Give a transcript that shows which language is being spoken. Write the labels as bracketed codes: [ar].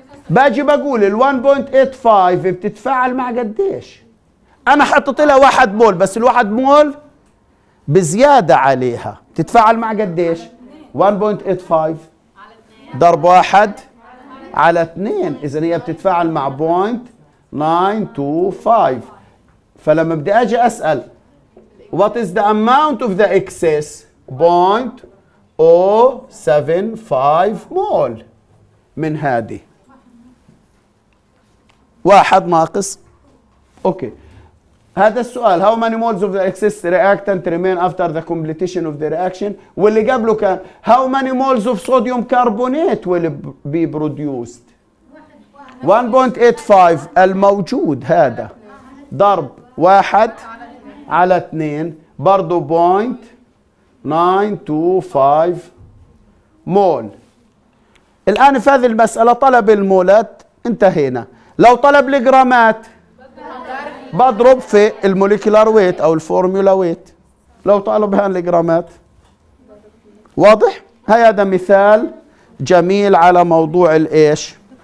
[ar] باجي بقول ال 1.85 بتتفاعل مع قديش؟ انا حطيت لها 1 مول، بس ال 1 مول بزياده عليها، بتتفاعل مع قديش؟ 1.85 ضرب 1 على 2، اذا هي بتتفاعل مع 0.925. فلما بدي اجي اسال [en] what is the amount of the excess [ar] 0.075 مول من هذه، 1 ناقص. اوكي هذا السؤال، [en] how many moles of the excess reactant remain after the completion of the reaction، [ar] واللي قبله كان [en] how many moles of sodium carbonate will be produced، [ar] 1.85 الموجود هذا ضرب 1 على 2 برضو 0.925 مول. الآن في هذه المسألة طلب المولات انتهينا، لو طلب الجرامات بضرب في الموليكولار ويت أو الفورمولا ويت، لو طلب هان الجرامات. واضح؟ هاي هذا مثال جميل على موضوع الإيش.